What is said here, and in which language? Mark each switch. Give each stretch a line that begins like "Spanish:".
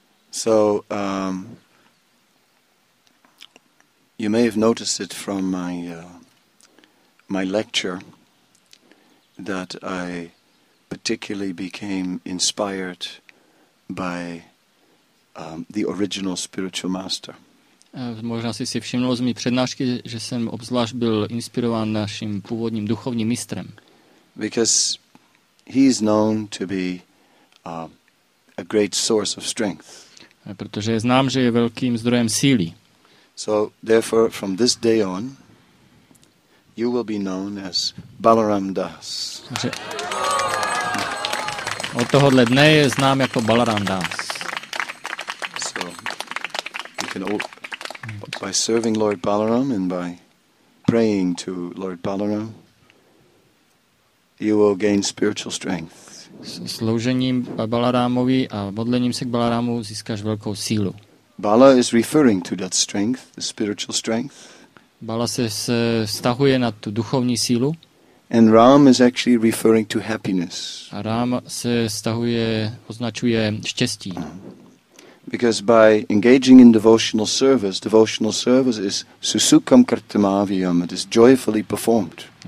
English: So, you may have noticed it from my lecture that I particularly became inspired by the original spiritual master.
Czech: Možná jsi si všiml z mý přednášky, že jsem obzvlášť byl inspirován naším původním duchovním mistrem.
English: Because he is known to be a great source of strength.
Czech: Protože je znám, že je velkým zdrojem síly.
English: So therefore from this day on you will be known as Balaram Das.
Czech: Takže od tohohle dne je znám jako Balaram Das.
English: So you can all, by serving Lord Balaram and by praying to Lord Balaram you will gain spiritual strength.
Czech: Sloužením Balarámovi a modlením se k Balarámu získáš velkou sílu.
English: Bala is referring to that strength, the spiritual strength.
Czech: Bala se vztahuje na tu duchovní sílu.
English: And Ram is actually referring to happiness.
Czech: A Ram se vztahuje, označuje štěstí.
English: Because by engaging in devotional service is
Sanskrit: susukam kartamaviyam,
English: it is joyfully performed.